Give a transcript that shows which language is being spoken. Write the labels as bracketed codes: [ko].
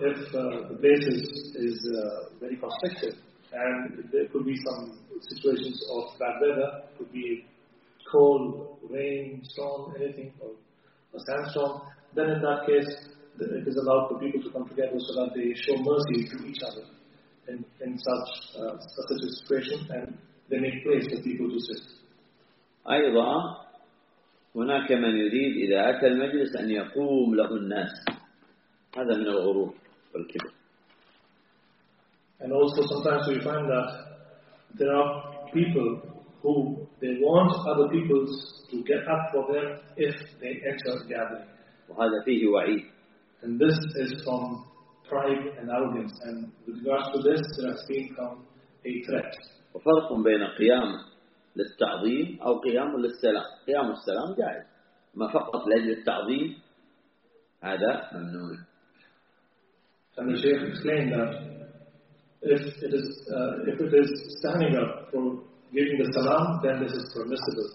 [en] the basis is very prospective, and there could be some situations of bad weather, could be cold, rain, storm, anything, or a sandstorm, then in that case, it is allowed for people to come together so that they show mercy to each other in such such a situation, and they make place for people to sit. [ar] أيضا هناك من يريد إذا أتى المجلس أن يقوم له الناس. هذا من الغرور والكبر. [en] And also sometimes we find that there are people who they want other people to get up for them if they enter the gathering. [ar] وهذا فيه وعيد. [en] And this is from pride and arrogance. And with regards to this, there has become a threat. [ar] وفرق بين قيام للتعظيم أو قيام للسلام. قيام السلام جائز. ما فقط لأجل التعظيم هذا ممنوع. [en] And the Shaykh explained that if it is standing up for giving the salam, then this is permissible.